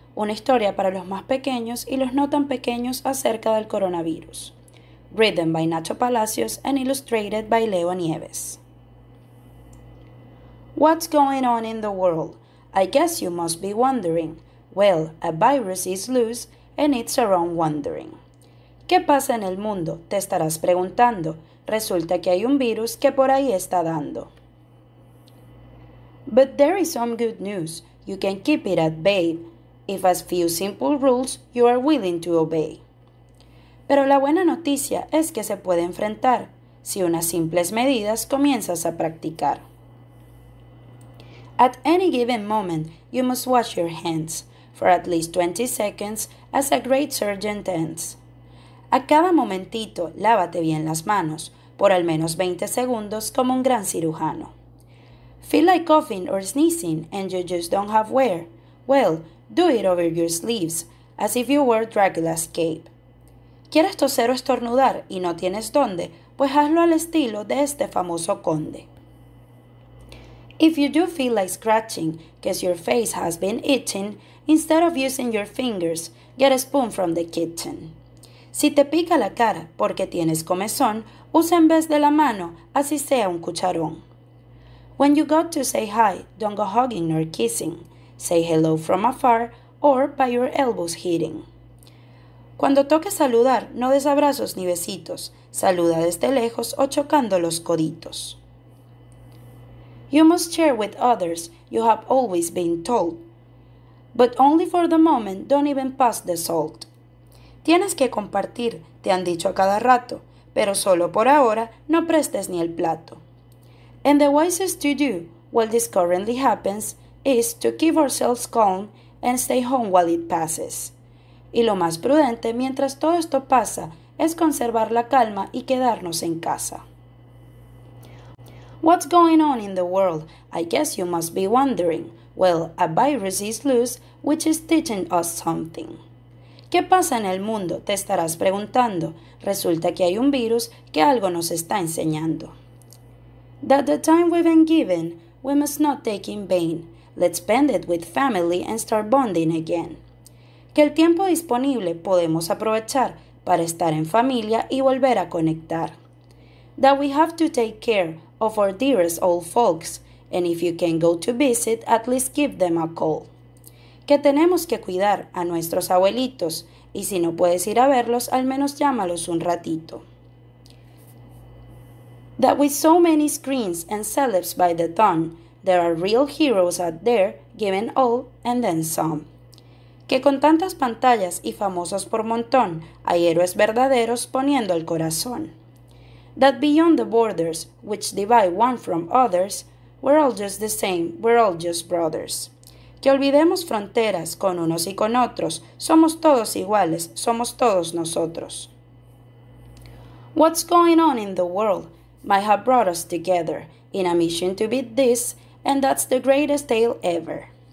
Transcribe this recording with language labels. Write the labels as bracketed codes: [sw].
[es] Una historia para los más pequeños y los no tan pequeños acerca del coronavirus. [en] Written by Nacho Palacios and illustrated by Leo Nieves. What's going on in the world? I guess you must be wondering. Well, a virus is loose and it's around wandering. [es] ¿Qué pasa en el mundo? Te estarás preguntando. Resulta que hay un virus que por ahí está dando. [en] But there is some good news. You can keep it at bay if a few simple rules you are willing to obey. [es] Pero la buena noticia es que se puede enfrentar si unas simples medidas comienzas a practicar. [en] At any given moment, you must wash your hands for at least 20 seconds as a great surgeon tends. [es] A cada momentito, lávate bien las manos por al menos 20 segundos como un gran cirujano. [en] Feel like coughing or sneezing and you just don't have where? Well, do it over your sleeves as if you were Dracula's cape. [es] ¿Quieres toser o estornudar y no tienes dónde? Pues hazlo al estilo de este famoso conde. [en] If you do feel like scratching, because your face has been itching, instead of using your fingers, get a spoon from the kitchen. [es] Si te pica la cara porque tienes comezón, usa en vez de la mano, así sea un cucharón. [en] When you go to say hi, don't go hugging nor kissing. Say hello from afar or by your elbows hitting. [es] Cuando toque saludar, no des abrazos ni besitos. Saluda desde lejos o chocando los coditos. [en] You must share with others, you have always been told. But only for the moment, don't even pass the salt. [es] Tienes que compartir, te han dicho a cada rato, pero solo por ahora no prestes ni el plato. [en] And the wisest to do, while this currently happens, is to keep ourselves calm and stay home while it passes. [es] Y lo más prudente mientras todo esto pasa es conservar la calma y quedarnos en casa. [en] What's going on in the world? I guess you must be wondering. Well, a virus is loose, which is teaching us something. [es] ¿Qué pasa en el mundo? Te estarás preguntando. Resulta que hay un virus que algo nos está enseñando. [en] That the time we've been given, we must not take in vain. Let's spend it with family and start bonding again. [es] Que el tiempo disponible podemos aprovechar para estar en familia y volver a conectar. [en] That we have to take care of our dearest old folks, and if you can go to visit, at least give them a call. [es] Que tenemos que cuidar a nuestros abuelitos, y si no puedes ir a verlos, al menos llámalos un ratito. [en] That with so many screens and celebs by the ton, there are real heroes out there, giving all and then some. [es] Que con tantas pantallas y famosos por montón, hay héroes verdaderos poniendo el corazón. [en] That beyond the borders, which divide one from others, we're all just the same, we're all just brothers. [es] Que olvidemos fronteras con unos y con otros, somos todos iguales, somos todos nosotros. [en] What's going on in the world might have brought us together in a mission to beat this, and that's the greatest tale ever.